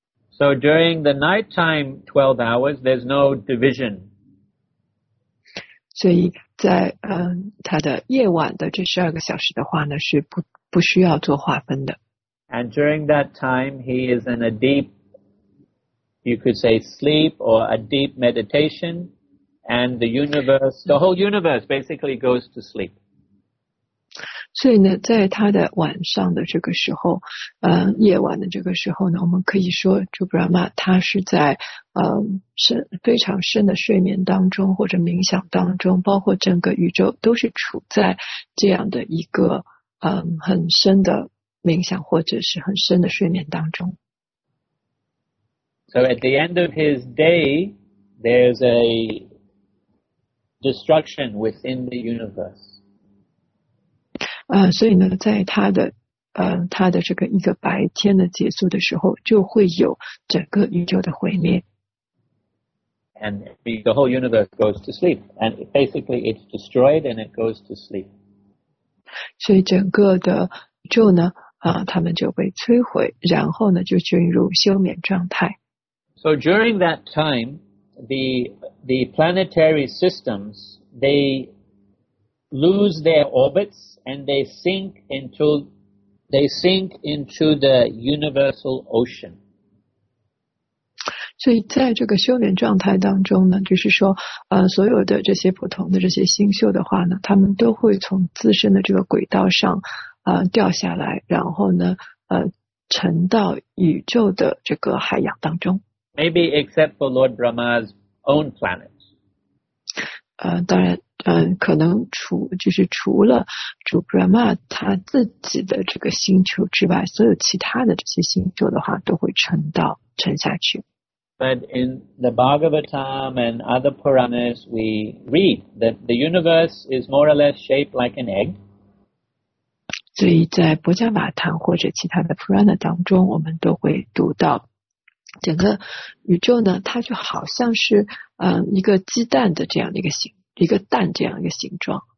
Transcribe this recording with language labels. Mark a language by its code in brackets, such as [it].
[en] So during the nighttime 12 hours, there's no division. [zh] 所以在他的夜晚的这12个小时的话呢，是不需要做划分的。 [en] And during that time, he is in a deep, you could say, sleep or a deep meditation, and the universe, the whole universe, basically goes to sleep. [zh] 所以呢，在他的晚上的这个时候，夜晚的这个时候呢，我们可以说，主 Brahma 他是在。非常深的睡眠当中或者冥想当中，包括整个宇宙都是处在这样的一个很深的冥想或者是很深的睡眠当中。 [en] So at the end of his day, there's a destruction within the universe. [zh] 所以呢，在他的这个一个白天的结束的时候，就会有整个宇宙的毁灭。 [en] And the whole universe goes to sleep. And basically it's destroyed and it goes to sleep. [zh] 所以整个的宇宙呢，他们就被摧毁，然后呢就进入休眠状态。 [en] So during that time, the planetary systems, they lose their orbits and they sink into the universal ocean. [zh] 所以在这个休眠状态当中呢，就是说所有的这些普通的这些星宿的话呢，他们都会从自身的这个轨道上掉下来，然后呢沉到宇宙的这个海洋当中。 [en] Maybe except for Lord Brahma's own planet. [zh] 当然可能除就是除了主 Brahma 他自己的这个星球之外，所有其他的这些星球的话都会沉下去。 [en] But in the Bhagavatam and other Puranas, we read that the universe is more or less shaped like an egg. [zh] 所以在博伽瓦坦或者其他的 Purana 当中，我们都会读到，整个宇宙呢，它就好像是一个鸡蛋的这样的一个形，一个蛋这样一个形状。